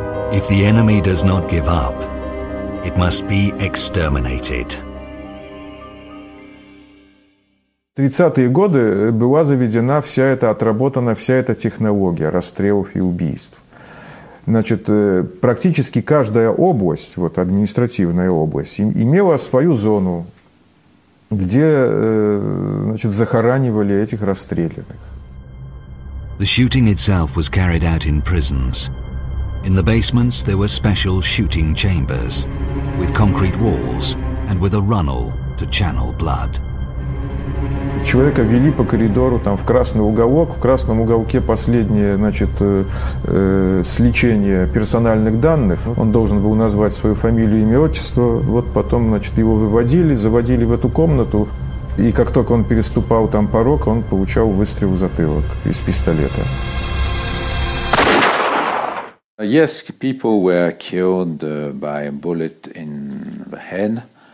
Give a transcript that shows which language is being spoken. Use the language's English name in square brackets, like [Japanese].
[English] If the enemy does not give up, it must be exterminated. [Russian] 30-е годы была заведена вся эта, отработана вся эта технология расстрелов и убийств. Значит, практически каждая область, вот административная область, имела свою зону, где, значит, захоранивали этих расстрелянных. [English] The shooting itself was carried out in prisons. In the basements there were special shooting chambers with concrete walls and with a runnel to channel blood. [Russian] Человека вели по коридору там, в красный уголок. В красном уголке последнее, значит, сличение персональных данных. Он должен был назвать свою фамилию, имя, отчество. Вот потом, значит, его выводили, заводили в эту комнату. И как только он переступал там порог, он получал выстрел в затылок из пистолета. [English] Yes, people were killed by a bullet in the head.